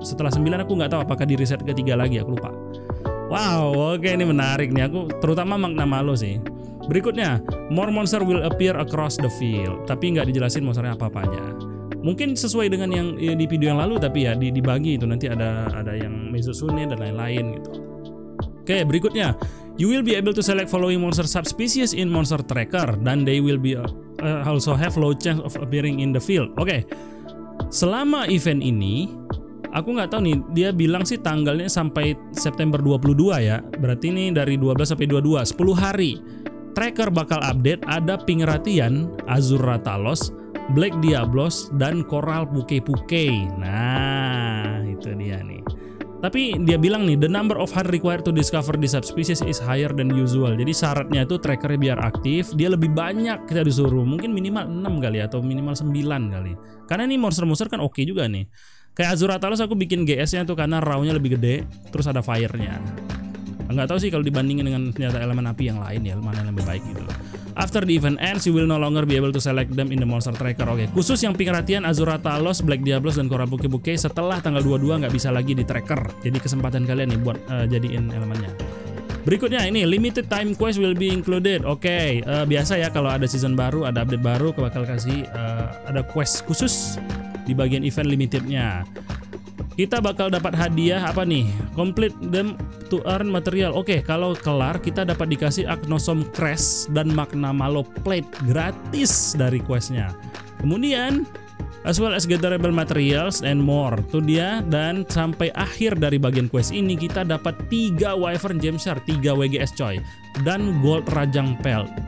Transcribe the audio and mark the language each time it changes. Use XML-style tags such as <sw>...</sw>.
<id>Setelah 9 aku nggak tahu apakah di reset ketiga lagi, aku lupa. Wow, okay, ini menarik nih aku, terutama Magna Malo sih. Berikutnya,</id> <en>more monster will appear across the field.</en> <id>Tapi nggak dijelasin monsternya apa-apanya. Mungkin sesuai dengan yang di video yang lalu, tapi ya dibagi itu nanti ada yang Mizutsune dan lain-lain gitu. Oke, berikutnya,</id> <en>you will be able to select following monster subspecies in Monster Tracker, dan they will be also have low chance of appearing in the field.</en> <id>Oke, selama event ini, aku nggak tahu nih, dia bilang sih tanggalnya sampai September 22 ya. Berarti ini dari 12 sampai 22, 10 hari. Tracker bakal update ada Pingratian, Azura Talos, Black Diablos, dan Coral Puke-Puke. Nah, itu dia nih. Tapi dia bilang nih,</id> <en>the number of heart required to discover the subspecies is higher than usual.</en> <id>Jadi syaratnya itu trackernya biar aktif, dia lebih banyak kita disuruh. Mungkin minimal 6 kali atau minimal 9 kali. Karena ini monster-monster kan okay juga nih. Kayak Azura Talos aku bikin GS-nya tuh karena raw-nya lebih gede, terus ada fire-nya. Nggak tahu sih kalau dibandingin dengan senjata elemen api yang lain ya, mana yang lebih baik gitu.</id> <en>After the event ends, you will no longer be able to select them in the Monster Tracker.</en> <id>Oke, khusus yang Pingratian, Azura Talos, Black Diablos, dan Coral Puke-Puke setelah tanggal 22 nggak bisa lagi di tracker. Jadi kesempatan kalian nih buat jadiin elemennya. Berikutnya ini,</id> <en>limited time quest will be included.</en> <id>Oke, biasa ya kalau ada season baru, ada update baru, bakal kasih ada quest khusus di bagian event limitednya. Kita bakal dapat hadiah apa nih?</id> <en>Complete them to earn material.</en> <id>Okay, kalau kelar kita dapat dikasih Agnosom Crest dan Magna Malo Plate gratis dari questnya. Kemudian,</id> <en>as well as gatherable materials and more.</en> <id>Itu dia, dan sampai akhir dari bagian quest ini kita dapat 3 Wyvern Gemshard, 3 WGS coy, dan Gold Rajang Pelt.</id>